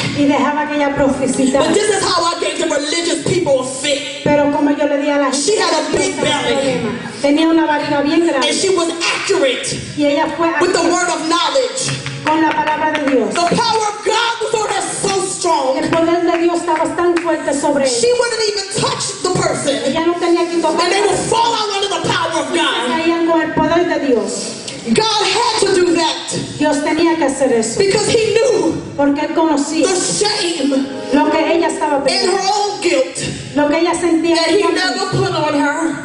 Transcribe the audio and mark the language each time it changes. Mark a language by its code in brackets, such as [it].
[es] Y dejaba que ella profetizara. [en] But this is how I gave the religious people a fit. [es] Pero como yo le di a la [en] she had a big belly. [es] Tenía una barriga bien grande. [en] And she was accurate. [es] Y ella fue [en] accurate. With the word of knowledge. [es] Con la palabra de Dios. [en] The power of God was on her so strong. [es] El poder de Dios estaba tan fuerte sobre ella. [en] She wouldn't even touch the person. [es] Ella no tenía que tocar. [en] And they would fall out under the power of God. [es] Y caían con el poder de Dios. [en] God had to do that. [es] Dios tenía que hacer eso. [en] Because he knew. [es] Porque él conocía. [en] The shame. [es] Lo que ella estaba pensando. [en] And her own guilt. [es] Lo que ella sentía. [en] That he never put on her.